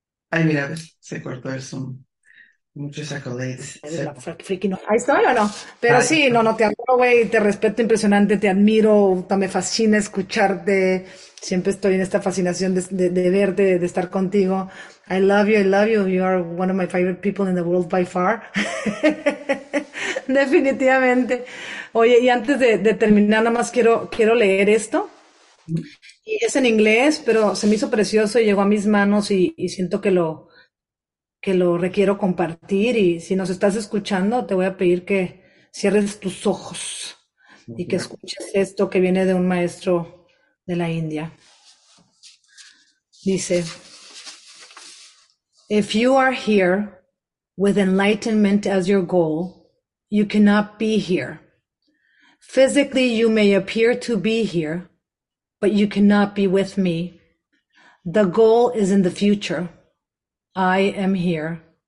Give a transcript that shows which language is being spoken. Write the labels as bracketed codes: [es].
[es] Ay, mira, ¿ves? Se cortó el Zoom. Muchos accolades. Eres la freaking. No. Ahí estoy, ¿o no? Pero Ahí sí, no, está. no, te adoro, güey. Te respeto impresionante, te admiro, me fascina escucharte. Siempre estoy en esta fascinación de verte, de estar contigo. [en] I love you, you are one of my favorite people in the world by far. [es] Definitivamente. Oye, y antes de terminar, nada más quiero leer esto. Y es en inglés, pero se me hizo precioso y llegó a mis manos y siento que lo requiero compartir. Y si nos estás escuchando, te voy a pedir que cierres tus ojos y que escuches esto que viene de un maestro de la India. Dice. [en] If you are here with enlightenment as your goal, you cannot be here. Physically, you may appear to be here, but you cannot be with me. The goal is in the future. I am here.